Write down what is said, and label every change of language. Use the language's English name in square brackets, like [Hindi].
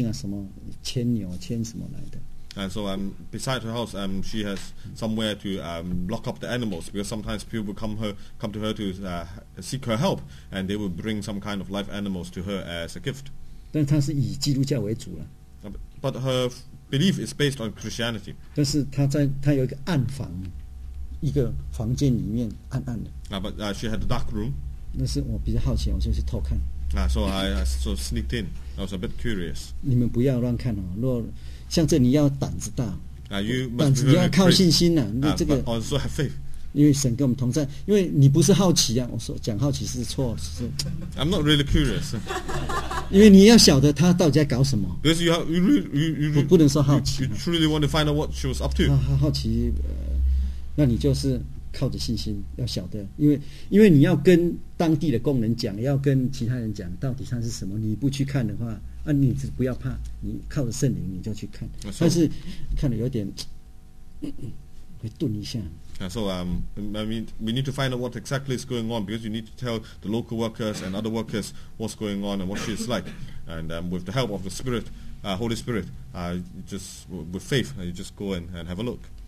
[Chinese] 那个关东路的地方，那些牛、有些牛啊、有些羊啊，是人家要来找他有什么困难啊、疫病啊什么，牵牛、牵什么来的。And [English] so beside her house, she has somewhere to lock up the animals because sometimes people come to her to seek her help, and they will bring some kind of live animals to her as a gift. [Chinese] 但她是以基督教为主了。But [English] her belief is based on Christianity. [Chinese] 但是她有一个暗房。一个房间里面暗暗的。But [English] she had a dark room. [Chinese] 那是我比较好奇，我就去偷看。So [English] I sneaked in. I was a bit curious. [Chinese] 你们不要乱看哦。如果像这，你要胆子大。 [English] You must be afraid. But also have faith. [Chinese] 因为神跟我们同在，因为你不是好奇啊。我说讲好奇是错，是。I'm [English] not really curious. [Chinese] 因为你要晓得他到底在搞什么。Because [English] you [Chinese] 不能说好奇。You [English] truly want to find out what she was up to. [Chinese] 好奇。那你就是靠着信心，要晓得，因为你要跟当地的工人讲，要跟其他人讲，到底它是什么。你不去看的话。啊，你只不要怕，你靠着圣灵你就去看。但是看了有点会顿一下。 [English] So I mean, we need to find out what exactly is going on, because you need to tell the local workers and other workers what's going on and what she's like. And with the help of the Spirit, Holy Spirit, just with faith, you just go in and have a look.